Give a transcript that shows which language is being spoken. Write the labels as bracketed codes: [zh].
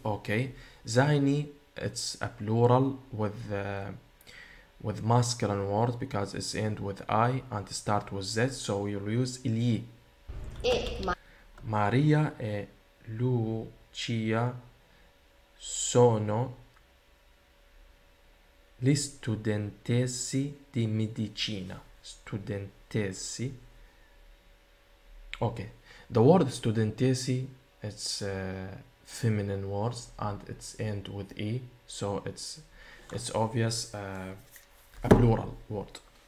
[en] Ok, zaini, it's a plural with masculine word because it's end with I and start with Z, so we will use gli. [it] Maria e Lucia sono gli studentessi di medicina. Studentessi. Ok. [en] The word studentesi, it's feminine words and it's end with e, so it's obvious a plural word.